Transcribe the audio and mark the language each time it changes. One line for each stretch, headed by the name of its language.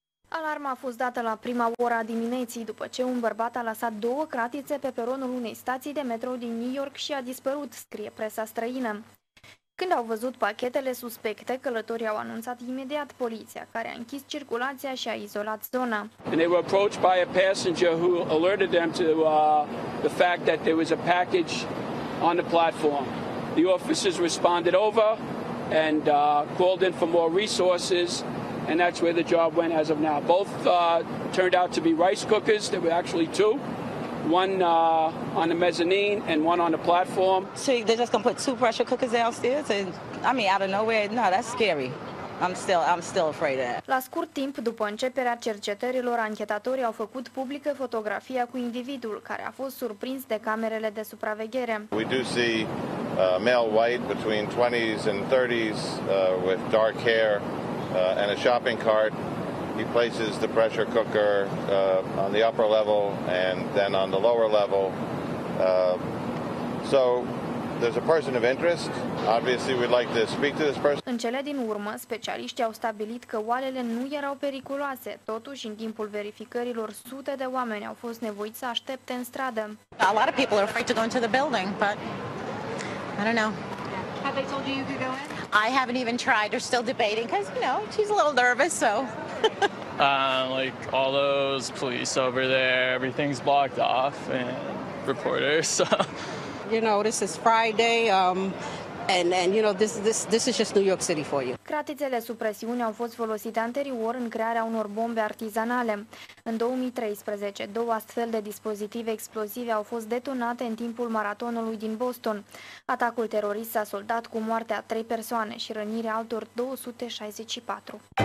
Romanian: Alarma a fost dată la prima ora dimineții, după ce un bărbat a lăsat două cratițe pe peronul unei stații de metrou din New York și a dispărut, scrie presa străină. Când au văzut pachetele suspecte, călătorii au anunțat imediat poliția, care a închis circulația și a izolat zona.
English: And they were approached by a passenger who alerted them to the fact that there was a package on the platform. The officers responded over and called in for more resources. And that's where the job went as of now. Both turned out to be rice cookers. There were actually two, one on the mezzanine and one on the platform. So they're just gonna put two pressure cookers downstairs? And I mean, out of nowhere? No, that's scary. I'm still afraid of that.
Romanian: La scurt timp după începerea cercetărilor, anchetatorii au făcut publică fotografia cu individul, care a fost surprins de camerele de supraveghere.
English: We do see male, white, between 20s and 30s, with dark hair. And a shopping cart. He places the pressure cooker on the upper level and then on the lower level. So there's a person of interest. Obviously, we'd like to speak to this person.
Romanian: În cele din urmă, specialiștii au stabilit că oalele nu erau periculoase. Totuși, în timpul verificărilor, sute de oameni au fost nevoiți să aștepte în stradă.
English: A lot of people are afraid to go into the building, but I don't know. Have they told you you could go in? I haven't even tried. They're still debating because, you know, she's a little nervous, so. like, all those police over there, everything's blocked off and reporters, so. You know, this is Friday, and you know, this is just New York City for you.
Romanian: Cratițele sub presiune au fost folosite anterior în crearea unor bombe artizanale. În 2013, două astfel de dispozitive explozive au fost detonate în timpul maratonului din Boston. Atacul terorist s-a soldat cu moartea a 3 persoane și rănirea altor 264.